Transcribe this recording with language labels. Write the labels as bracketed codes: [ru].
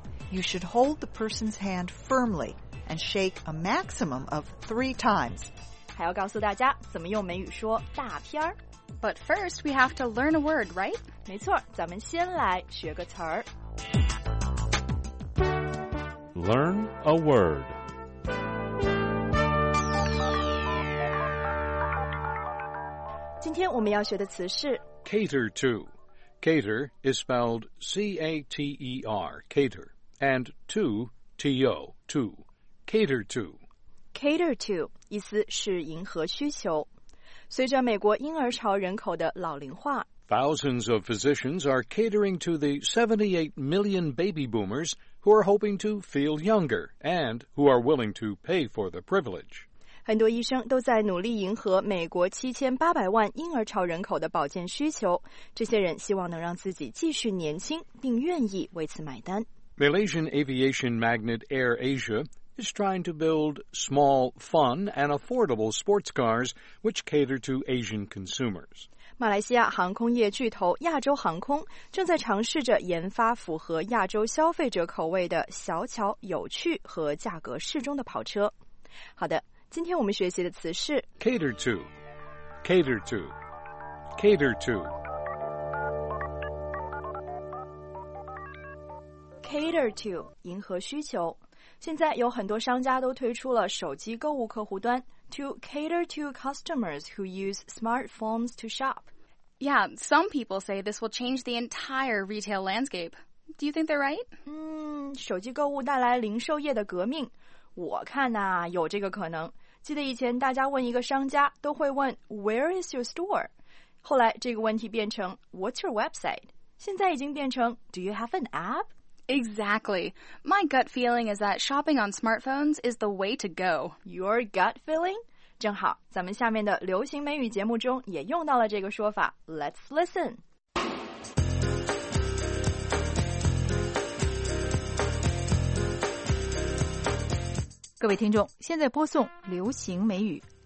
[en] You should hold the person's hand firmly and shake a maximum of 3 times. [zh] 还要告诉大家怎么用美语说大片儿。 [en] But first, we have to learn a word, right? [zh] 没错，咱们先来学个词儿。 [en] Learn a word. Today, [zh] 我们要学的词是 [en] cater to. Cater is spelled C-A-T-E-R, cater, and to, T-O, to, cater to. [zh] Cater to, 意思是迎合需求。随着美国婴儿潮人口的老龄化， [en] Thousands of physicians are catering to the 78 million baby boomers who are hoping to feel younger and who are willing to pay for the privilege. [zh] 很多医生都在努力迎合美国7800万婴儿潮人口的保健需求，这些人希望能让自己继续年轻，并愿意为此买单。 [en] Malaysian aviation magnate Air AsiaIs trying to build small, fun, and affordable sports cars which cater to Asian consumers. [zh] 马来西亚航空业巨头亚洲航空正在尝试着研发符合亚洲消费者口味的小巧、有趣和价格适中的跑车。好的，今天我们学习的词是 [en] cater to, cater to, cater to, [zh] cater to, 迎合需求。现在有很多商家都推出了手机购物客户端 [en] to cater to customers who use smartphones to shop. Yeah, some people say this will change the entire retail landscape. Do you think they're right? [zh] 手机购物带来零售业的革命，我看呐，有这个可能。记得以前大家问一个商家都会问 [en] Where is your store? [zh] 后来这个问题变成 [en] What's your website? [zh] 现在已经变成 [en] Do you have an app? Exactly. My gut feeling is that shopping on smartphones is the way to go. Your gut feeling? [zh] 正好，咱们下面的流行美语节目中也用到了这个说法。 [en] Let's listen. [zh] 各位听众，现在播送流行美语。